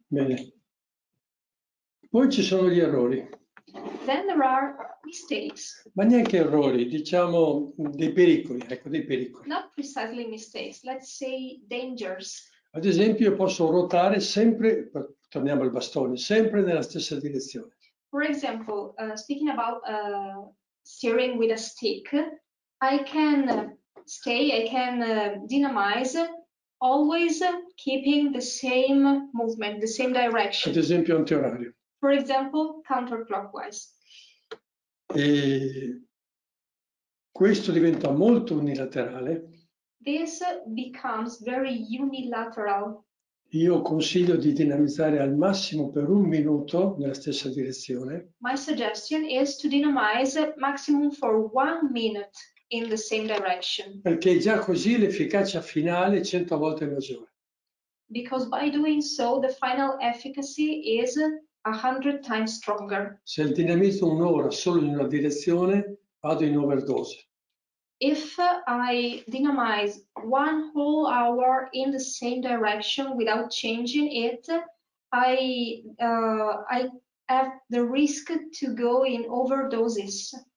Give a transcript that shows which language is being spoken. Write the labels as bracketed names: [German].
[Italian] Bene. Poi ci sono gli errori. [English] Then there are mistakes. [Italian] Ma neanche errori, diciamo dei pericoli, ecco, dei pericoli. [English] Not precisely mistakes, let's say dangers. [Italian] Ad esempio, io posso ruotare sempre, torniamo al bastone, sempre nella stessa direzione. [English] For example, speaking about steering with a stick, I can stay, I can dynamize, always keeping the same movement, the same direction. [Italian] Ad esempio, antiorario. [English] For example, counterclockwise. [Italian] E questo diventa molto unilaterale. [English] This becomes very unilateral. [Italian] Io consiglio di dinamizzare al massimo per 1 minuto nella stessa direzione. [English] My suggestion is to dynamize maximum for 1 minute in the same direction. [Italian] Perché già così l'efficacia finale è 100 volte maggiore. [English] Because by doing so the final efficacy is 100 times stronger. [Italian] Se il dinamizzo un'ora solo in una direzione, vado in overdose. [English] If I dynamize 1 whole hour in the same direction without changing it, I have the risk to go in overdoses.